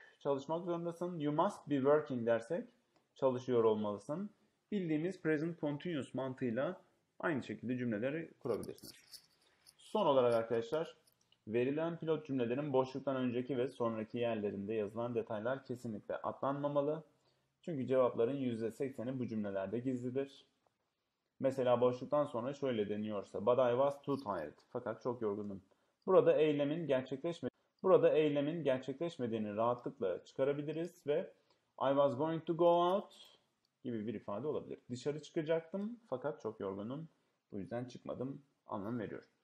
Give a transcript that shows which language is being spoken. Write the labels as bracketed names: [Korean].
[Turkish] Çalışmak zorundasın. [English] You must be working [Turkish] dersek çalışıyor olmalısın. Bildiğimiz present continuous mantığıyla aynı şekilde cümleleri kurabilirsiniz. Son olarak arkadaşlar, verilen pilot cümlelerin boşluktan önceki ve sonraki yerlerinde yazılan detaylar kesinlikle atlanmamalı. Çünkü cevapların %80'i bu cümlelerde gizlidir. Mesela boşluktan sonra şöyle deniyorsa, [English] but I was too tired. [Turkish] Fakat çok yorgundum. Burada eylemin gerçekleşmediğini rahatlıkla çıkarabiliriz ve [English] I was going to go out [Turkish] gibi bir ifade olabilir. Dışarı çıkacaktım fakat çok yorgunum. Bu yüzden çıkmadım. Anlam veriyor.